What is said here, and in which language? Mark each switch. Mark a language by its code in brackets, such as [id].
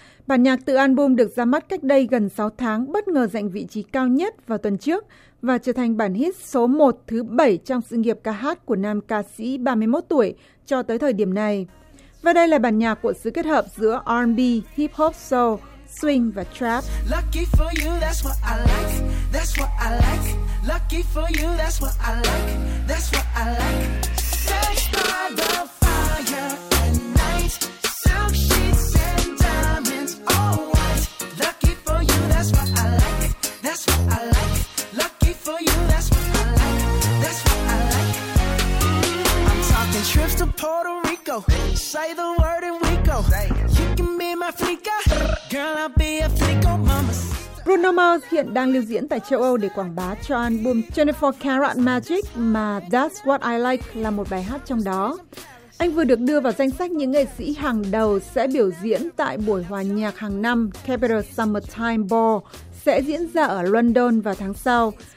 [vi] Bản nhạc từ album được ra mắt cách đây gần 6 tháng bất ngờ giành vị trí cao nhất vào tuần trước và trở thành bản hit số 1 thứ 7 trong sự nghiệp ca hát của nam ca sĩ 31 tuổi cho tới thời điểm này. Và đây là bản nhạc của sự kết hợp giữa R&B, Hip Hop Soul, Swing và Trap. [en] Lucky for you, that's what I like, that's what I like. Lucky for you, that's what I like, that's what I like. Search by the fire at night, silk sheets and diamonds all white. Lucky for you, that's what I like, that's what I like. Lucky for you, that's what I like, that's what I like. I'm talking trips to Puerto Rico, say the word and we go. You can be my flica, girl I'll be a flico mama. [vi] Bruno Mars hiện đang lưu diễn tại châu Âu để quảng bá cho album 24 Karat Magic mà That's What I Like là một bài hát trong đó. Anh vừa được đưa vào danh sách những nghệ sĩ hàng đầu sẽ biểu diễn tại buổi hòa nhạc hàng năm Capital Summertime Ball sẽ diễn ra ở London vào tháng sau.